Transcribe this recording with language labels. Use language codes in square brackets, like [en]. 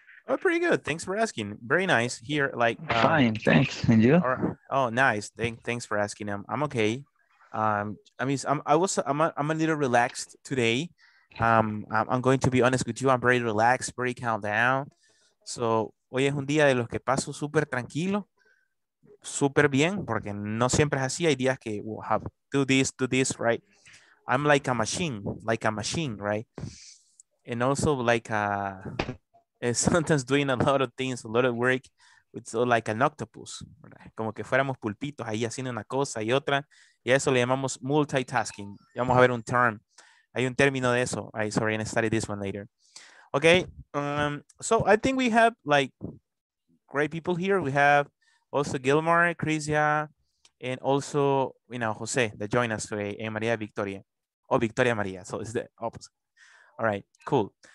[en] Oh, pretty good. Thanks for asking. Very nice here. Like fine, thanks. And you? Nice. Thanks for asking. I'm okay. I mean, I'm a little relaxed today I'm going to be honest with you. I'm very relaxed, very calm down. [es] So, hoy es un día de los que paso súper tranquilo, súper bien, porque no siempre es así. Hay días que [en] we'll have do this, right? I'm like a machine, right? And also like sometimes doing a lot of things, a lot of work. It's so like an octopus, ¿verdad? [es] Como que fuéramos pulpitos ahí haciendo una cosa y otra. Y a eso le llamamos multitasking. Y vamos a ver un term. Hay un término de eso. [en] Right, sorry, I'm going to study this one later. Okay. So I think we have like great people here. We have also Gilmar, Crisia, and also, you know, Jose that joined us today. And Maria Victoria. Oh, Victoria Maria. So it's the opposite. All right. Cool.